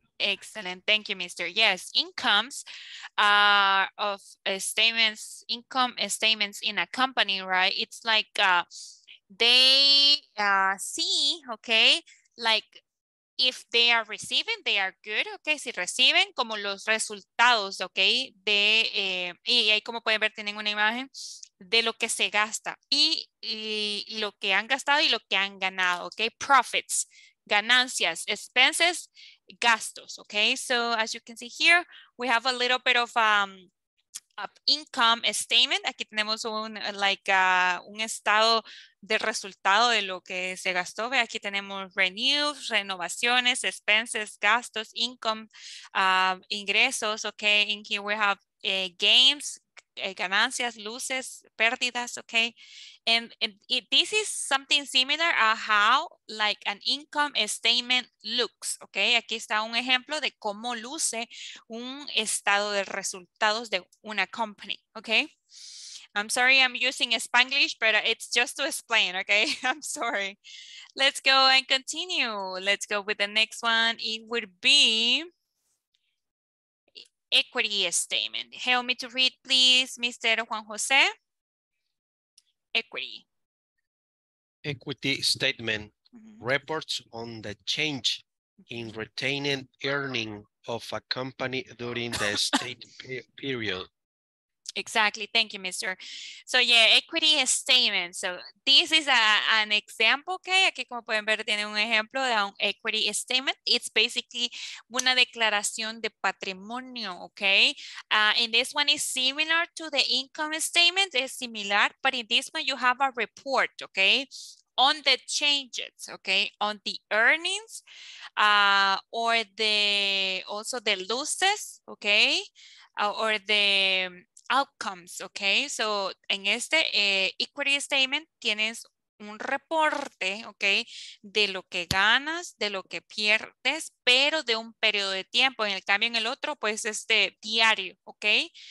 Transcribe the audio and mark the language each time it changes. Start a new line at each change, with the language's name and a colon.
English: Excellent. Thank you, Mr. Yes, incomes are of statements, income statements in a company, right? It's like they see, okay, like if they are receiving, they are good, okay?
Spanish: Si reciben como los resultados, okay? De, y ahí como pueden ver, tienen una imagen de lo que se gasta y lo que han gastado y lo que han ganado, okay? Profits, ganancias, expenses, gastos, okay?
English: So as you can see here, we have a little bit of an income statement.
Spanish: Aquí tenemos un, like, un estado de resultado de lo que se gastó. Ve, aquí tenemos renews, renovaciones, expenses, gastos, income, ingresos, okay?
English: In here we have gains, ganancias, luces, pérdidas, okay? And this is something similar to how like an income statement looks, okay?
Spanish: Aquí está un ejemplo de cómo luce un estado de resultados de una company, okay?
English: I'm sorry I'm using Spanglish, but it's just to explain, okay? I'm sorry. Let's go and continue. Let's go with the next one. It would be equity statement. Help me to read, please, Mr. Juan Jose. Equity. Equity statement reports on the change in retained earning of a company during the state period. Exactly. Thank you, Mr. So, yeah, equity statement. So, this is an example, okay?
Spanish: Aquí, como pueden ver, tiene un ejemplo de un equity statement.
English: It's basically
Spanish: una declaración de patrimonio, okay?
English: And this one is similar to the income statement.
Spanish: Es similar,
English: but in this one, you have a report, okay? On the changes, okay? On the earnings or the also the losses, okay? Or the outcomes, okay?
Spanish: So, en este equity statement tienes un reporte, okay, de lo que ganas, de lo que pierdes, pero de un periodo de tiempo. En el cambio, en el otro, pues, este diario, okay?